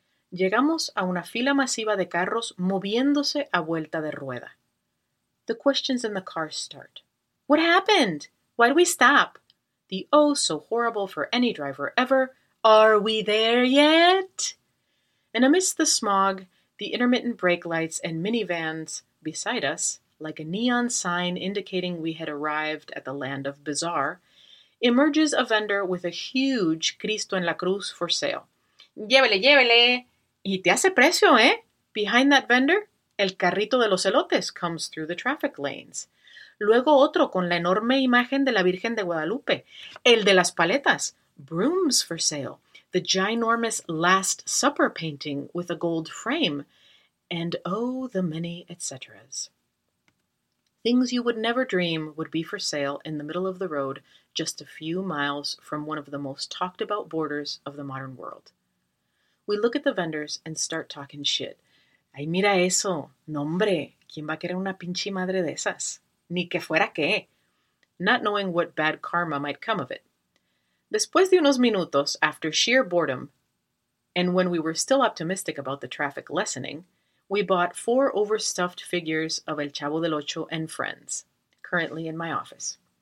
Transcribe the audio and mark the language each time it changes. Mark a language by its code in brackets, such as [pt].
[es] Llegamos a una fila masiva de carros moviéndose a vuelta de rueda. [en] The questions in the car start. What happened? Why do we stop? The oh so horrible for any driver ever. Are we there yet? And amidst the smog, the intermittent brake lights and minivans beside us, like a neon sign indicating we had arrived at the land of bazaar, emerges a vendor with a huge [es] Cristo en la Cruz [en] for sale. [es] Llévele, llévele. Y te hace precio, eh? [en] Behind that vendor, [es] el carrito de los elotes [en] comes through the traffic lanes. [es] Luego otro con la enorme imagen de la Virgen de Guadalupe. El de las paletas, [en] brooms for sale. The ginormous Last Supper painting with a gold frame. And oh, the many etc. Things you would never dream would be for sale in the middle of the road, just a few miles from one of the most talked about borders of the modern world. We look at the vendors and start talking shit. [es] Ay, mira eso. Nombre. ¿Quién va a querer una pinche madre de esas? Ni que fuera qué. [en] Not knowing what bad karma might come of it. [es] Después de unos minutos, [en] after sheer boredom, and when we were still optimistic about the traffic lessening, we bought four overstuffed figures of El Chavo del Ocho and friends, currently in my office.